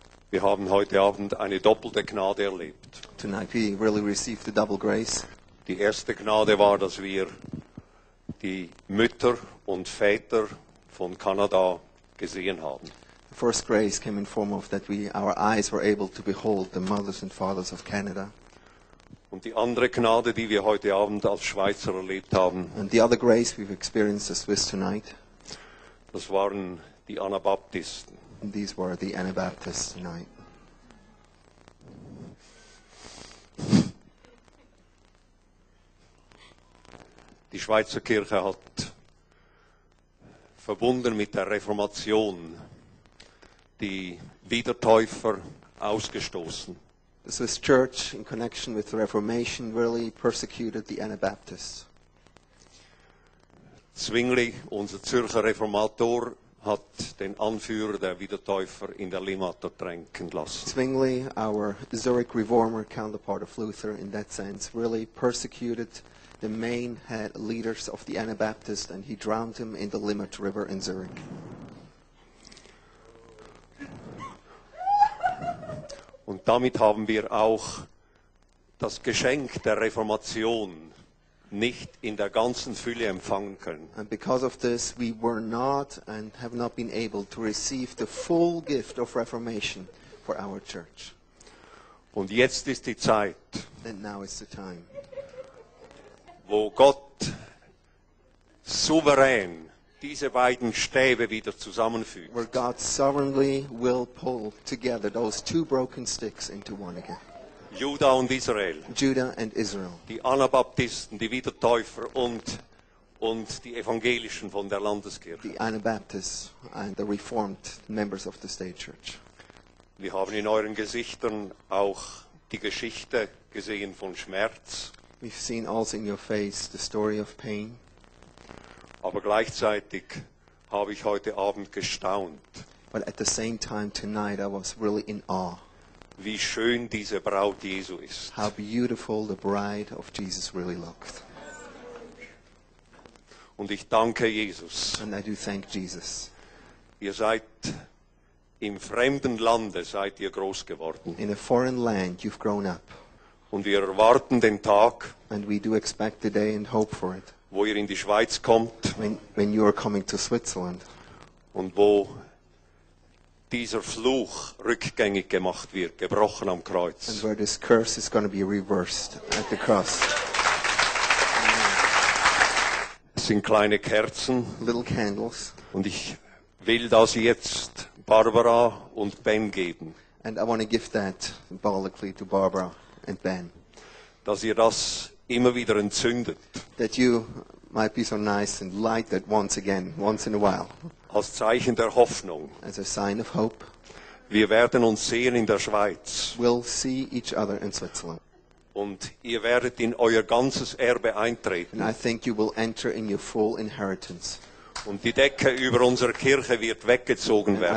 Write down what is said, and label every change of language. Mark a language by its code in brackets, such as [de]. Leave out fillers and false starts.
[de] Wir haben heute Abend eine doppelte Gnade erlebt. [en] Tonight we really received the double grace. [de] Die erste Gnade war, dass wir die Mütter und Väter von Kanada gesehen haben. [en] The first grace came in form of that our eyes were able to behold the mothers and fathers of Canada. [de] Und die andere Gnade, die wir heute Abend als Schweizer erlebt haben. [en] And the other grace we've experienced as Swiss tonight. [de] Das waren die Anabaptisten. [en] And these were the Anabaptists tonight. [de] Die Schweizer Kirche hat verbunden mit der Reformation die Wiedertäufer ausgestoßen. [en] The Swiss Church, in connection with the Reformation, really persecuted the Anabaptists. [de] Zwingli, unser Zürcher Reformator, hat den Anführer der Wiedertäufer in der Limmat ertränken lassen. [en] Zwingli, our Zurich Reformer counterpart of Luther, in that sense, really persecuted the main head leaders of the Anabaptists, and he drowned him in the Limmat River in Zurich. [de] Und damit haben wir auch das Geschenk der Reformation nicht in der ganzen Fülle empfangen können. [en] And because of this, we were not and have not been able to receive the full gift of Reformation for our church. [de] Und jetzt ist die Zeit. [en] And now is the time. [de] Wo Gott souverän diese beiden Stäbe wieder zusammenfügt. [en] Where God sovereignly will pull together those two broken sticks into one again. [de] Judah und Israel. [en] Judah and Israel. [de] Die Anabaptisten, die Wiedertäufer und die Evangelischen von der Landeskirche. [en] The Anabaptists and the Reformed members of the state church. [de] Wir haben in euren Gesichtern auch die Geschichte gesehen von Schmerz. [en] We've seen also in your face the story of pain. [de] Aber gleichzeitig habe ich heute Abend gestaunt. [en] But at the same time tonight I was really in awe. [de] Wie schön diese Braut Jesu ist. [en] How beautiful the bride of Jesus really looked. [de] Und ich danke Jesus. [en] And I do thank Jesus. [de] Ihr seid im fremden Lande seid ihr groß geworden. [en] In a foreign land you've grown up. [de] Und wir erwarten den Tag. [en] And we do expect the day and hope for it. [de] Wo ihr in die Schweiz kommt. [en] When you are coming to Switzerland. [de] Und wo dieser Fluch rückgängig gemacht wird, gebrochen am Kreuz. [en] And where this curse is going to be reversed at the cross. [de] Es sind kleine Kerzen. [en] Little candles. [de] Und ich will das jetzt Barbara und Ben geben. [en] And I want to give that symbolically to Barbara and Ben. [de] Dass ihr das immer wieder entzündet. [en] That you might be so nice and light that once again, once in a while. [de] Als Zeichen der Hoffnung. [en] As a sign of hope. [de] Wir werden uns sehen in der Schweiz. [en] We'll see each other in Switzerland. [de] Und ihr werdet in euer ganzes Erbe eintreten. [en] And I think you will enter in your full inheritance. [de] Und die Decke über unserer Kirche wird weggezogen werden.